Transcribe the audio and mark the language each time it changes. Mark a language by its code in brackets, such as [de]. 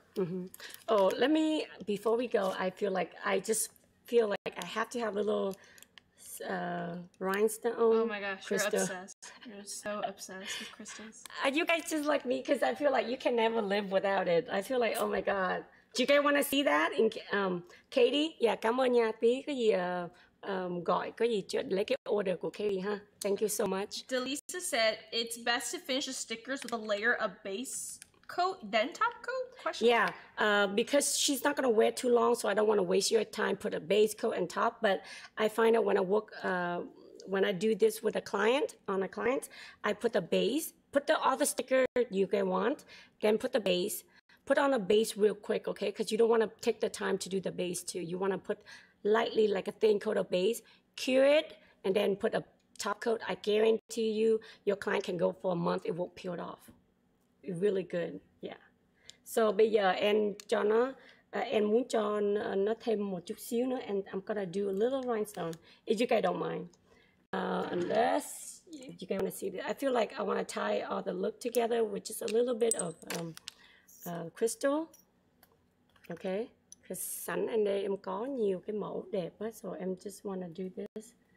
[en] Mm-hmm. Oh, let me, before we go, I just feel like I have to have a little rhinestone. Oh my gosh, crystal. You're obsessed. You're so obsessed with crystals. Are you guys just like me? Cause I feel like you can never live without it. I feel like, oh my God. Do you guys want to see that? Katie? Yeah, [vi] cảm ơn nha. Tí có gì gọi, có gì lấy cái order của Katie, huh? [en] Thank you so much. Delisa said, it's best to finish the stickers with a layer of base coat, then top coat? Question. Yeah, because she's not going to wear too long, so I don't want to waste your time, put a base coat and top. But I find out when I work, when I do this with a client, I put the base, put the other sticker you guys want, then put the base. Put on a base real quick, okay? Because you don't want to take the time to do the base too. You want to put lightly, like a thin coat of base, cure it, and then put a top coat. I guarantee you, your client can go for a month. It won't peel it off. Really good, yeah. [vi] So bây giờ em cho nó, em muốn cho nó thêm một chút xíu nữa, [en] and I'm gonna do a little rhinestone, if you guys don't mind. Unless you guys want to see this. I feel like I want to tie all the look together with just a little bit of... crystal, okay. [vi] Cause sẵn anh đây em có nhiều cái mẫu đẹp á, so em [en] just wanna do this.